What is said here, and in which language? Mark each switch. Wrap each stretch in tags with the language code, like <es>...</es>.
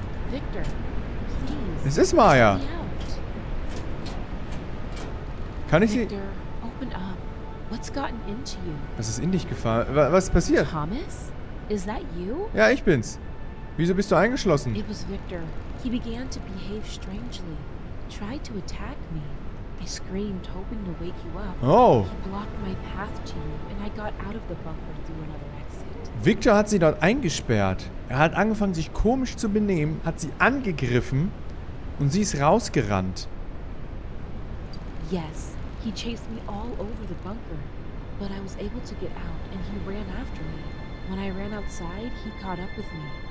<en>Victor, please.</en> <de>Es ist Maya. Kann ich sie...</de> <en>Victor, open up. What's gotten into you?</en> <de>Was ist in dich gefallen? Was ist passiert?</de> <en>Thomas? Is that you?</en> <de>Ja, ich bin's. Wieso bist du eingeschlossen?</de> <en>It was Victor. He began to behave strangely. Tried to attack me. I screamed, hoping to wake you up. Oh. He blocked my path to you, and I got out of the bunker through another exit.</en> <de>Victor hat sie dort eingesperrt. Er hat angefangen, sich komisch zu benehmen, hat sie angegriffen, und sie ist rausgerannt.</de> <en>Yes, he chased me all over the bunker, but I was able to get out, and he ran after me. When I ran outside, he caught up with me.</en>